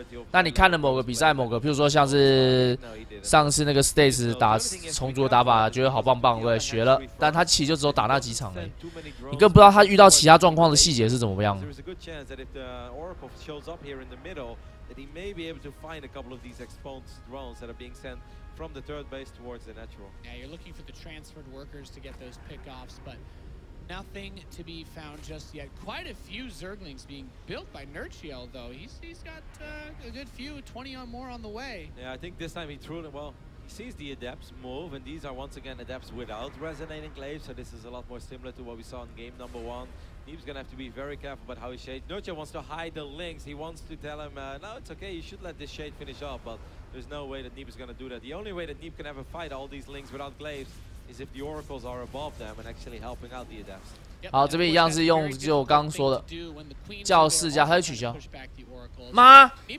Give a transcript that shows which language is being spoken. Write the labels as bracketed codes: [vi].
[zh] 那你看了某个比赛，某个譬如说像是上次那个 States 打重组的打法，觉得好棒棒，对，学了，但他其实就只有打那几场嘞，你更不知道他遇到其他状况的细节是怎么样。 [en] There is a good chance that if the Oracle shows up here in the middle, that he may be able to find a couple of these exposed drones that are being sent from the third base towards the natural. Yeah, you're looking for the transferred workers to get those pickoffs, but nothing to be found just yet. Quite a few Zerglings being built by Nurchiel, though. He's got a good few, 20 or more on the way. Yeah, I think this time he threw it well. He sees the Adepts move, and these are once again Adepts without resonating glaives, so this is a lot more similar to what we saw in game number one. He's gonna have to be very careful about how he shades. Nurture wants to hide the links. He wants to tell him, no, it's okay, you should let this shade finish off, but there's no way that Neep is gonna do that. The only way that Neep can ever fight all these links without glaives is if the oracles are above them and actually helping out the adepts. [zh] 好，这边一样是用就我刚刚说的教室加，他就取消吗？